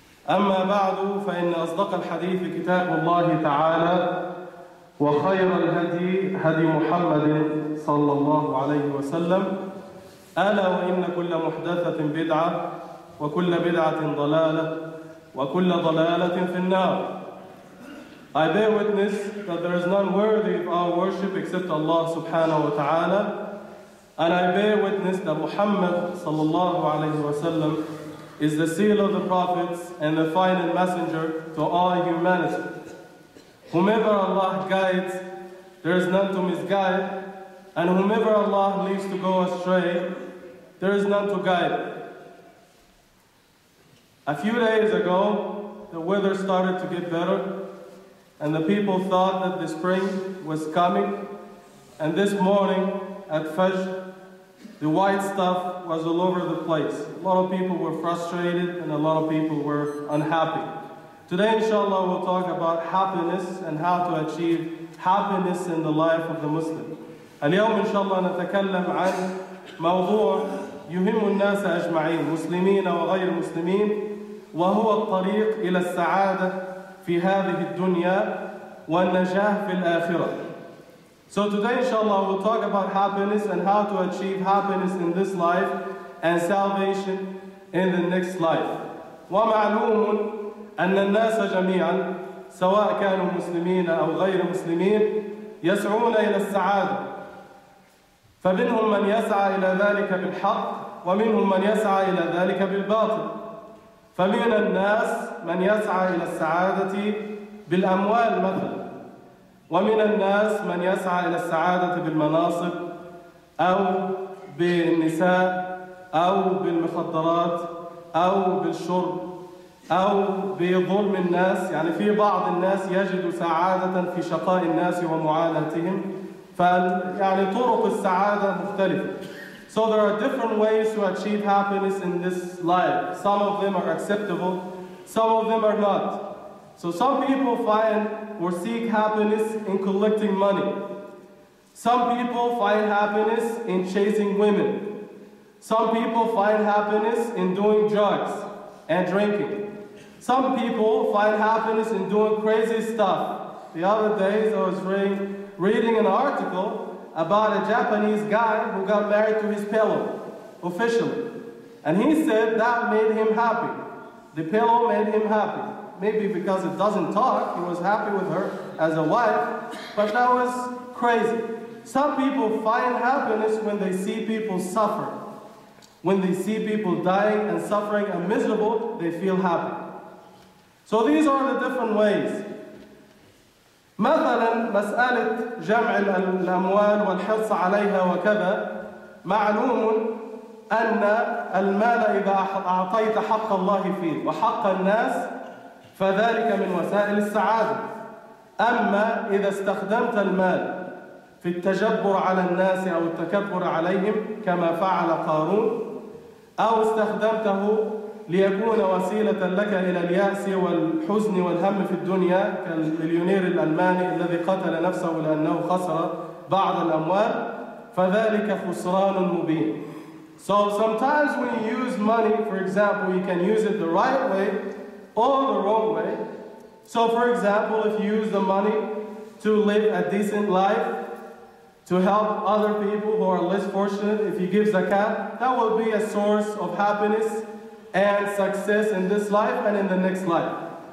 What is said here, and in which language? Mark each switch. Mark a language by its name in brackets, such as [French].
[Arabic] أما بعد، فإن أصدق الحديث كتاب الله تعالى، وخير الهدي هدي محمد صلى الله عليه وسلم، ألا وإن كل محدثة بدعة، وكل بدعة ضلالة، وكل ضلالة في النار. [English] I bear witness that there is none worthy of our worship except Allah subhanahu wa ta'ala. And I bear witness that Muhammad sallallahu alayhi wa sallam is the seal of the prophets and the final messenger to all humanity. Whomever Allah guides, there is none to misguide. And whomever Allah leaves to go astray, there is none to guide. A few days ago, the weather started to get better. And the people thought that the spring was coming. And this morning at Fajr, the white stuff was all over the place. A lot of people were frustrated and a lot of people were unhappy. Today, inshallah, we'll talk about happiness and how to achieve happiness in the life of the Muslim. [Arabic] اليوم إن شاء الله نتكلم عن موضوع يهم الناس أجمعين مسلمين وغير مسلمين وهو الطريق إلى السعادة في هذه الدنيا والنجاة في الآخرة. [English] So today, inshallah, we'll talk about happiness and how to achieve happiness in this life and salvation in the next life. [Arabic] ومعلوم أن الناس جميعا سواء كانوا مسلمين أو غير مسلمين يسعون إلى السعادة. فمنهم من يسعى إلى ذلك بالحق ومنهم من يسعى إلى ذلك بالباطل. فمن الناس من يسعى إلى السعادة بالأموال مثلا ومن الناس من يسعى إلى السعادة بالمناصب أو بالنساء أو بالمخدرات أو بالشرب أو بظلم الناس يعني في بعض الناس يجد سعادة في شقاء الناس ومعاناتهم يعني طرق السعادة مختلفة. [English] So there are different ways to achieve happiness in this life. Some of them are acceptable, some of them are not. So some people find or seek happiness in collecting money. Some people find happiness in chasing women. Some people find happiness in doing drugs and drinking. Some people find happiness in doing crazy stuff. The other days I was reading an article about a Japanese guy who got married to his pillow, officially. And he said that made him happy. The pillow made him happy. Maybe because it doesn't talk, he was happy with her as a wife, but that was crazy. Some people find happiness when they see people suffer. When they see people dying and suffering and miserable, they feel happy. So these are the different ways. [Arabic] مثلا مسألة جمع الأموال والحرص عليها وكذا معلوم أن المال إذا أعطيت حق الله فيه وحق الناس فذلك من وسائل السعادة. أما إذا استخدمت المال في التجبر على الناس أو التكبر عليهم كما فعل قارون أو استخدمته ليكون وسيلة لك إلى اليأس والحزن والهم في الدنيا كالمليونير الألماني الذي قتل نفسه لأنه خسر بعض الأموال فذلك خسران مبين. [English] So sometimes when you use money, for example, you can use it the right way or the wrong way. So for example, if you use the money to live a decent life, to help other people who are less fortunate, if you give zakat, that will be a source of happiness and success in this life and in the next life.